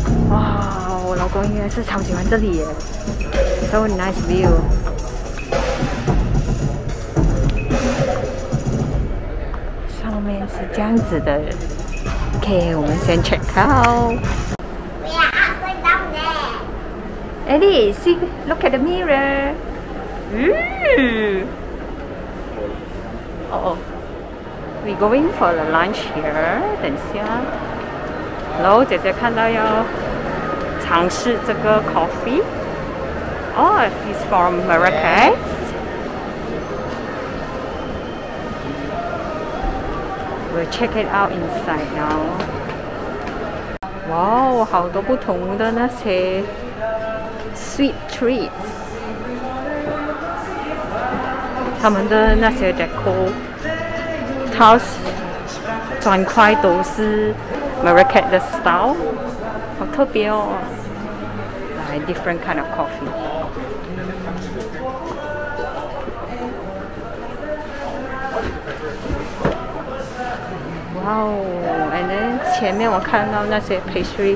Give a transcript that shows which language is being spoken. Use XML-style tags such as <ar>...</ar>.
<zh>哇，我老公应该是超喜欢这里耶 ，</zh> <en>so nice view。</en> <zh>是这样子的 ，OK， 我们先</zh> <en>check out。 We are upside down there. Eddie, see, look at the mirror. We going for the lunch here.</en> <zh>等一下，然后姐姐看到要尝试这个 coffee.</zh> <en>Oh, he's from Marrakech. We'll check it out inside now.</en> <zh>Wow, 好多不同的那些</zh> <en>sweet treats.</en> <zh>他们的那些</zh> <en>deco tiles</en> <zh>砖块都是 Marrakech 的 style. 好特别哦</zh> <en>like different kind of coffee.</en> <zh>Wow,</zh> <en>and then</en> <zh>前面我看到那些 pastry.</zh>